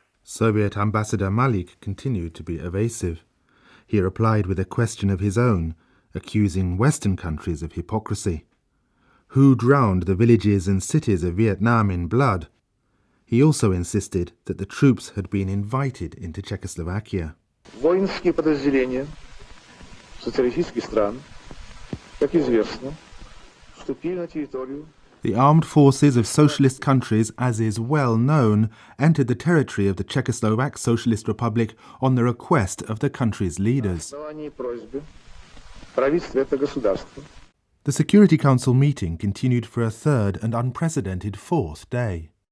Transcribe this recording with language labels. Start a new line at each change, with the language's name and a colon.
English: Soviet Ambassador Malík continued to be evasive. He replied with a question of his own, accusing Western countries of hypocrisy. Who drowned the villages and cities of Vietnam in blood? He also insisted that the troops had been invited into Czechoslovakia.
Russian: Воинские подразделения социалистических стран, как известно, вступили на территорию.
English: The armed forces of socialist countries, as is well known, entered the territory of the Czechoslovak Socialist Republic on the request of the country's leaders. The Security Council meeting continued for a third and unprecedented fourth day.